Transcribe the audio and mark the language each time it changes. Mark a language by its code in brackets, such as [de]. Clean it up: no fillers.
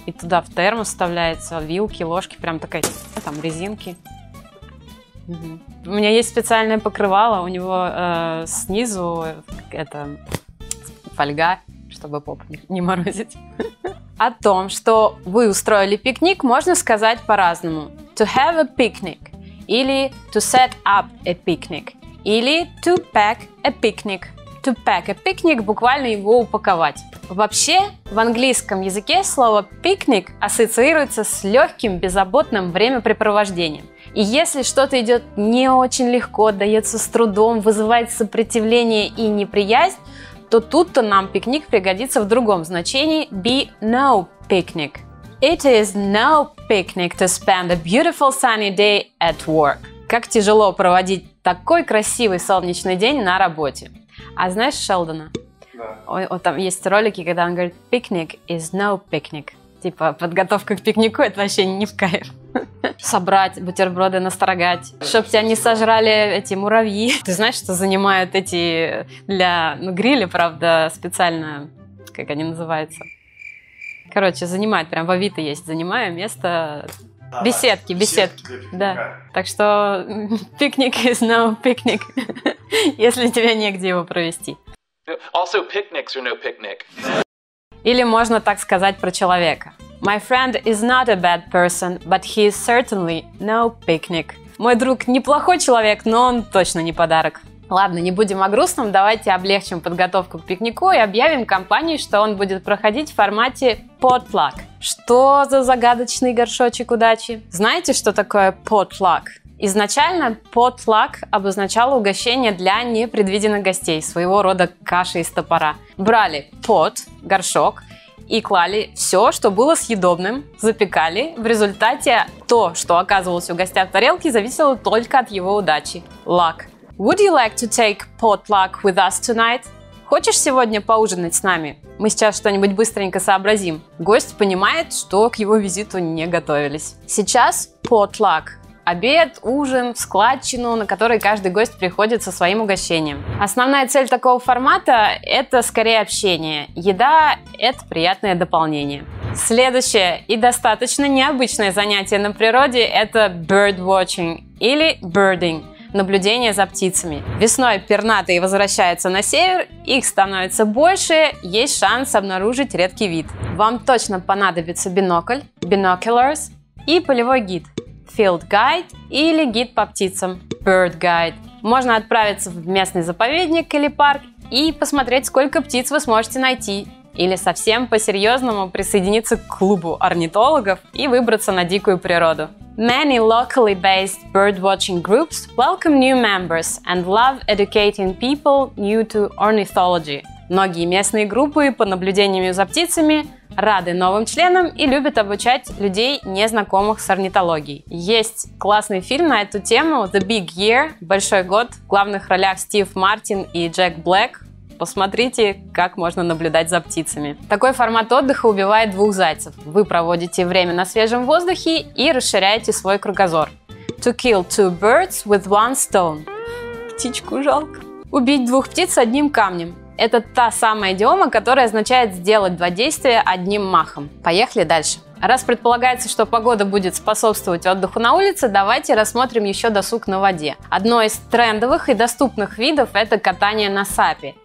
[ru] И туда в термос вставляются вилки, ложки, прям такая, там, резинки. У меня есть специальное покрывало, у него снизу это фольга, чтобы попу не морозить. О том, что вы устроили пикник, можно сказать по-разному. [en] To have a picnic, или to set up a picnic, или to pack a picnic. To pack a picnic – [ru] буквально его упаковать. Вообще, в английском языке слово «пикник» ассоциируется с легким, беззаботным времяпрепровождением. И если что-то идет не очень легко, дается с трудом, вызывает сопротивление и неприязнь, то тут-то нам пикник пригодится в другом значении – [en] be no picnic. It is no picnic to spend a beautiful sunny day at work. [ru] Как тяжело проводить такой красивый солнечный день на работе. А знаешь Шелдона? Вот там есть ролики, когда он говорит [en] «picnic is no picnic». [ru] Типа, подготовка к пикнику – это вообще не в кайф. Собрать бутерброды, настрогать, чтоб тебя не сожрали эти муравьи. Ты знаешь, что занимают эти для гриля, правда, специально, как они называются? Короче, занимают, прям в Авито есть, занимаю место. Беседки, беседки. Да. Так что пикник [en] is no picnic, [ru] если тебе негде его провести. [en] Also, picnics are no picnic. [ru] Или можно так сказать про человека. [en] My friend is not a bad person, but he is certainly no picnic. [ru] Мой друг неплохой человек, но он точно не подарок. Ладно, не будем о грустном, давайте облегчим подготовку к пикнику и объявим компании, что он будет проходить в формате potluck. Что за загадочный горшочек удачи? Знаете, что такое potluck? Изначально potluck обозначало угощение для непредвиденных гостей, своего рода каши из топора. Брали pot, горшок, и клали все, что было съедобным, запекали. В результате то, что оказывалось у гостя в тарелке, зависело только от его удачи. [en] Luck. Would you like to take potluck with us tonight? [ru] Хочешь сегодня поужинать с нами? Мы сейчас что-нибудь быстренько сообразим. Гость понимает, что к его визиту не готовились. Сейчас potluck. Обед, ужин, складчину, на который каждый гость приходит со своим угощением. Основная цель такого формата – это скорее общение. Еда – это приятное дополнение. Следующее и достаточно необычное занятие на природе – это birdwatching или birding – наблюдение за птицами. Весной пернатые возвращаются на север, их становится больше, есть шанс обнаружить редкий вид. Вам точно понадобится бинокль – binoculars и полевой гид – Field Guide или гид по птицам Bird Guide. Можно отправиться в местный заповедник или парк и посмотреть, сколько птиц вы сможете найти. Или совсем по-серьезному присоединиться к клубу орнитологов и выбраться на дикую природу. [en] Many locally based birdwatching groups welcome new members and love educating people new to ornithology. [ru] Многие местные группы по наблюдениям за птицами рады новым членам и любят обучать людей, незнакомых с орнитологией. Есть классный фильм на эту тему «The Big Year» – «Большой год», в главных ролях Стив Мартин и Джек Блэк. Посмотрите, как можно наблюдать за птицами. Такой формат отдыха убивает двух зайцев. Вы проводите время на свежем воздухе и расширяете свой кругозор. [en] «To kill two birds with one stone» – [ru] птичку жалко. «Убить двух птиц одним камнем» – это та самая идиома, которая означает сделать два действия одним махом. Поехали дальше. Раз предполагается, что погода будет способствовать отдыху на улице, давайте рассмотрим еще досуг на воде. Одно из трендовых и доступных видов – это катание на сапе.